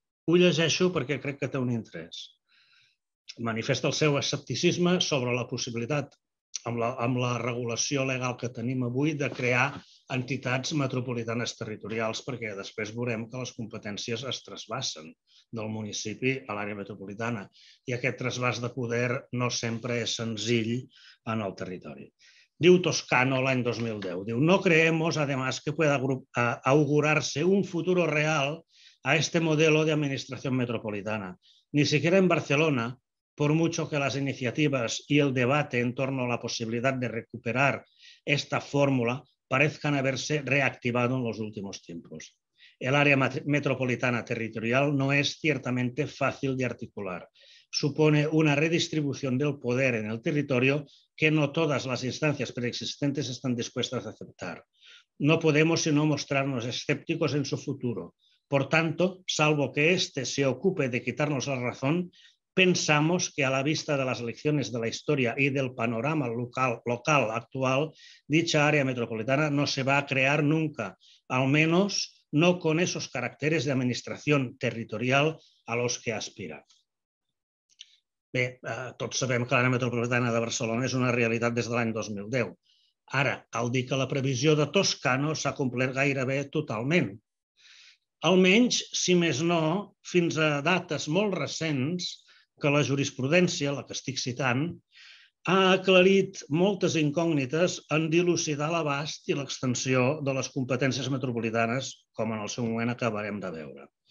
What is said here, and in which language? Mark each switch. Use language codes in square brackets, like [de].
[ca] Ho llegeixo perquè crec que té un interès. Manifesta el seu escepticisme sobre la possibilitat, amb la regulació legal que tenim avui, de crear entitats metropolitanes territorials, perquè després veurem que les competències es trasbassen del municipi a l'àrea metropolitana i aquest trasbàs de poder no sempre és senzill en el territori. Diu Toscano l'any 2010, diu: [es] no creemos, además, que pueda augurarse un futuro real a este modelo de administración metropolitana, ni siquiera en Barcelona, por mucho que las iniciativas y el debate en torno a la posibilidad de recuperar esta fórmula parezcan haberse reactivado en los últimos tiempos. el área metropolitana territorial no es ciertamente fácil de articular. Supone una redistribución del poder en el territorio que no todas las instancias preexistentes están dispuestas a aceptar. No podemos sino mostrarnos escépticos en su futuro. Por tanto, salvo que éste se ocupe de quitarnos la razón, pensamos que a la vista de las lecciones de la historia y del panorama local actual, dicha área metropolitana no se va a crear nunca, al menos no con esos caracteres de administración territorial a los que aspira. [ca] Bé, tots sabem que l'àrea metropolitana de Barcelona és una realitat des de l'any 2010. Ara, cal dir que la previsió de Toscano s'ha complert gairebé totalment. Almenys, si més no, fins a dates molt recents que la jurisprudència, la que estic citant, ha aclarit moltes incògnites en dilucidar l'abast i l'extensió de les competències metropolitanes, com en el seu moment acabarem de veure.